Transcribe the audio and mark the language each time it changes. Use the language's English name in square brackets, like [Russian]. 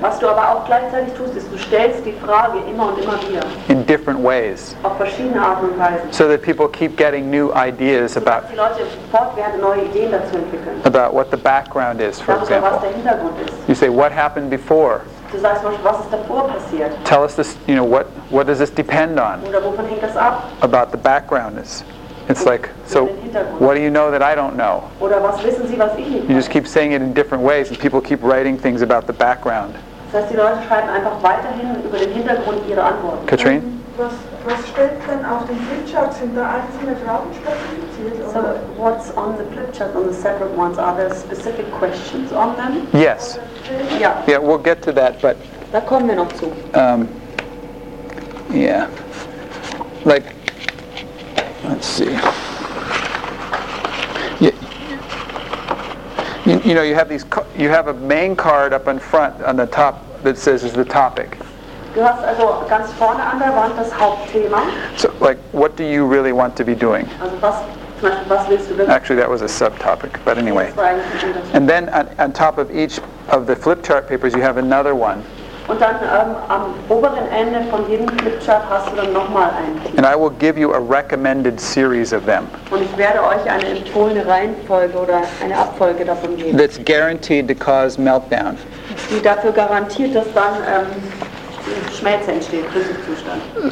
[German] Was du aber auch gleichzeitig tust, ist, du stellst die Frage immer und immer wieder. [English] In different ways. [German] Auf verschiedene Arten und Weisen. [English] So that people keep getting new ideas about. [German] Die Leute fortwährend neue Ideen dazu entwickeln. [English] About what the background is, for example. [German] Was der Hintergrund ist. [English] You say, what happened before? [German] Du sagst, was ist davor passiert? [English] Tell us this. You know, what does this depend on? [German] Oder wovon hängt das ab? [English] About the background is. It's like, so what do you know that I don't know? [German] Oder was wissen Sie, was ich nicht weiß? [English] You just keep saying it in different ways and people keep writing things about the background. [German] Das heißt, die Leute schreiben einfach weiterhin über den Hintergrund ihre Antworten. Katrin? Was steht denn auf den Flipchart? Sind da einzelne Fragen spezifiziert? [English] So what's on the Flipchart, on the separate ones? Are there specific questions on them? Yes. Yeah, we'll get to that, but... [German] Da kommen wir noch zu. [English] Yeah. Like... Let's see. You know, you have a main card up in front on the top that says is the topic. [German] Du hast also ganz vorne an der Wand das Hauptthema. [English] So, like, what do you really want to be doing? [German] Also, was, zum Beispiel, was willst du denn? [English] Actually, that was a subtopic, but anyway. And then on top of each of the flip chart papers, you have another one. [German] Und dann am oberen Ende von jedem Flipchart hast du dann nochmal ein. [English] And I will give you a recommended series of them. [German] Und ich werde euch eine empfohlene Reihenfolge oder eine Abfolge davon geben. [English] That's guaranteed to cause meltdown. [German] Die dafür garantiert, dass dann Schmelze entsteht, Krisenzustand.